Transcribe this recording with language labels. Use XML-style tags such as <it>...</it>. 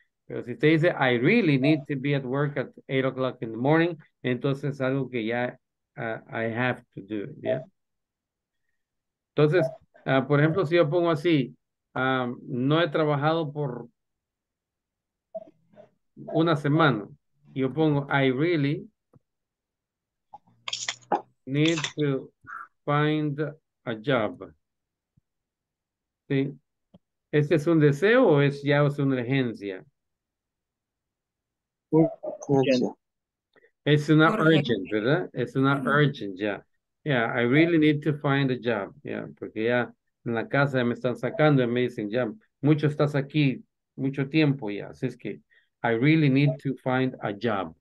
<es>Pero si usted dice,</es> <en>I really need to be at work at 8 o'clock in the morning,</en> <es>entonces es algo que ya</es> <en>I have to do, ¿ya? Yeah?</en> <es>Entonces, por ejemplo, si yo pongo así, no he trabajado por una semana. Yo pongo,</es> <en>I really need to find a job.</en> <es>¿Sí? ¿Este es un deseo o es ya es una urgencia? Urgencia. Es una urgent, ¿verdad? Es una urgent, ya.</es> <en>Yeah, I really need to find a job.</en> <es>Yeah, porque ya en la casa me están sacando y me dicen, ya, mucho estás aquí, mucho tiempo ya. Así es que,</es> <en>I really need to find a job.</en>